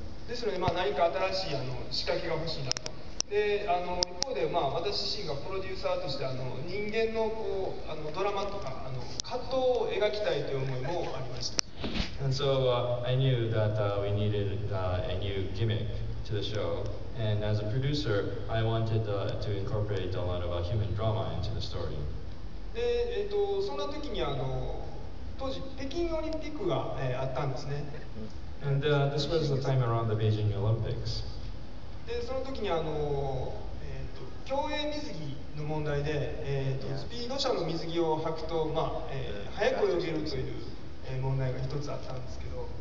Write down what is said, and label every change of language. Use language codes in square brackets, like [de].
[ja] ですので、まあ、何か新しい仕掛けが欲しいなと。で、一方で、まあ、私自身がプロデューサーとして人間 の, こうドラマとか葛藤を描きたいという思いもありました。 [en] And so, I knew that we needed a new gimmick to the show. And as a producer, I wanted to incorporate a lot of human drama into the story. [ja] で、そんな時に当時、北京オリンピックが、あったんですね。 [en] And this was the time around the Beijing Olympics. [ja] で、その時に競泳水着の問題で、スピード車の水着を履くと、まあ、速く泳げるという問題が一つあったんですけど。